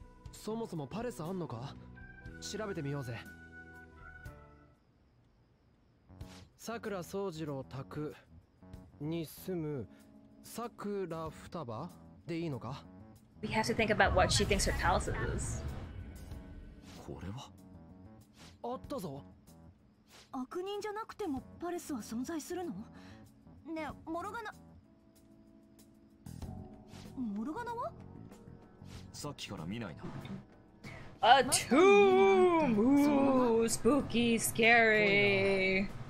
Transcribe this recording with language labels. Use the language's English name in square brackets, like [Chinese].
[Japanese] そもそもパレスあんのか？調べてみようぜ。さくら宗次郎宅に住むさくら双葉でいいのか？ [English] We have to think about what she thinks her palace is. [Japanese] これは？あったぞ。悪人じゃなくてもパレスは存在するの？ねえ、モルガナ。モルガナは？さっきから見ないな。 [English] A tomb! Spooky, scary!